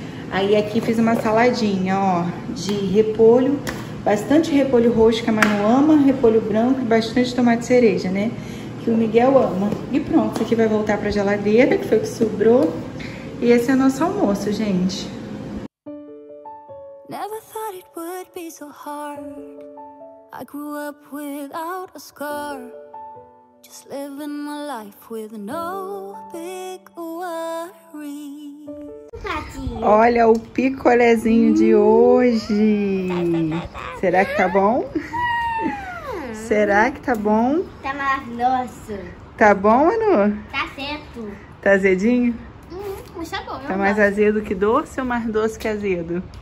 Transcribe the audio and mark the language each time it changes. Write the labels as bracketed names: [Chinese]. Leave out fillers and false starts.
[Portuguese] Aí aqui fiz uma saladinha, ó, de repolho, bastante repolho roxo que a Manu ama, repolho branco e bastante tomate cereja, né? Que o Miguel ama. E pronto, isso aqui vai voltar pra geladeira, que foi o que sobrou. E esse é o nosso almoço, gente. [English] Never thought it would be so hard. I grew up without a scar. Just living my life with no big worry. [Portuguese] Olha o picolézinho de hoje. Será que tá bom? Será que tá bom? Tá maravilhoso. Tá bom, Manu? Tá certo. Tá azedinho? Mas tá bom. Tá mais azedo que doce ou mais doce que azedo?